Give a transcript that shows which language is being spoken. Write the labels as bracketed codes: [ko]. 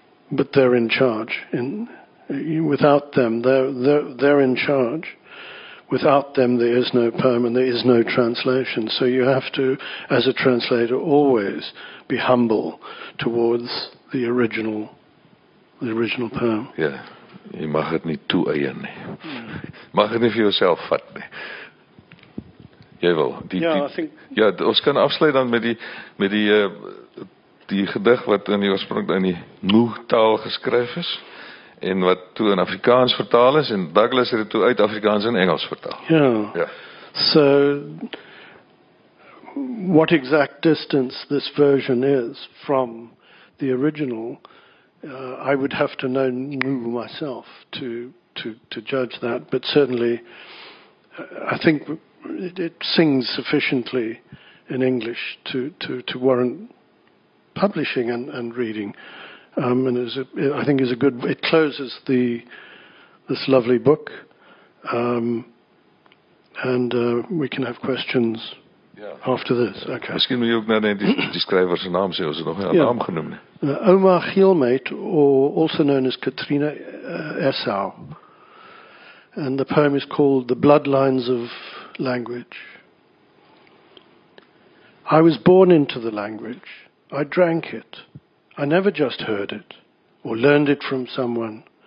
[en] But they're in charge. Without them, they're in charge. Without them, there is no poem and there is no translation. So you have to, as a translator, always be humble towards the original poem. Yeah. [af] Jy mag het nie toe-eien nie. Mag het nie vir jouself vat nie. Jy wil. Ons kan afsluit dan met die gedig wat in die oorsprong in die Nu-taal geskryf is en wat toe in Afrikaans vertaal is en Douglas het toe uit Afrikaans en Engels vertaal. Ja. Ja. [en] So, what exact distance this version is from the original, I would have to know Nu myself to judge that, but certainly I think it sings sufficiently in English to warrant publishing and reading, and it is a good. It closes this lovely book, and we can have questions after this. Okay. [af] Miskien moet jy ook net die skrywer se naam sê, ons het nog nie 'n naam genoem nie. [en] Oma Gielmeet, or also known as Katrina Essau, and the poem is called "The Bloodlines of Language." I was born into the language. I drank it. I never just heard it or learned it from someone.